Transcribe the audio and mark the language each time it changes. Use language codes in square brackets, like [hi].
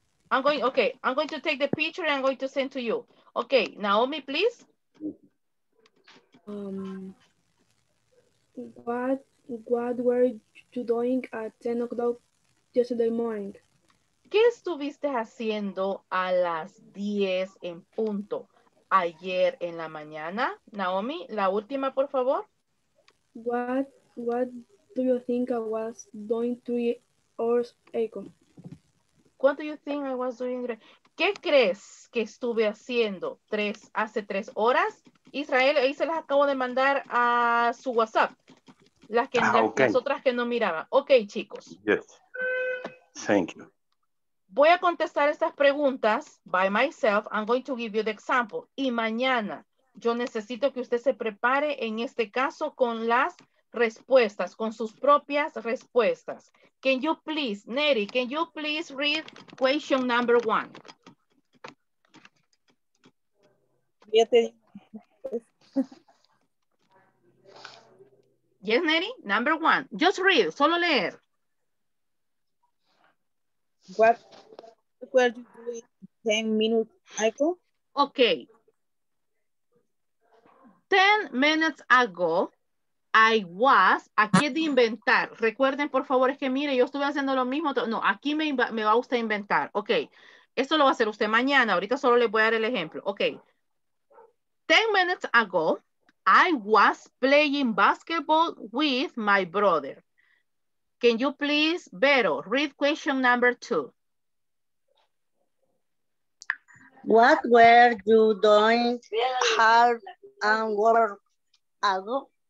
[en] I'm going to take the picture and I'm going to send to you. Okay, Naomi, please. What were you doing at 10 o'clock yesterday morning? [es] ¿Qué estuviste haciendo a las 10 en punto ayer en la mañana? Naomi, la última, por favor. [en] What do you think I was doing 3 hours ago? What do you think I was doing? [es] ¿Qué crees que estuve haciendo hace tres horas? Israel, ahí se las acabo de mandar a su WhatsApp. Las que las otras que no miraban. Ok, chicos. [en] Yes. Thank you. [es] Voy a contestar estas preguntas [en] by myself. I'm going to give you the example. [es] Y mañana yo necesito que usted se prepare en este caso con las respuestas, con sus propias respuestas. [en] Can you please, Neri, can you please read question number one? [es] Ya te [en] Yes, Neri, number one. Just read, [es] solo leer. [en] What were you doing 10 minutes ago? Okay. 10 minutes ago, I was, [es] aquí es de inventar. Recuerden, por favor, es que mire, yo estuve haciendo lo mismo. No, aquí me va usted a inventar. Ok, esto lo va a hacer usted mañana. Ahorita solo le voy a dar el ejemplo. [en] Ok, 10 minutes ago, I was playing basketball with my brother. Can you please, Vero, read question number two. What were you doing half an hour ago?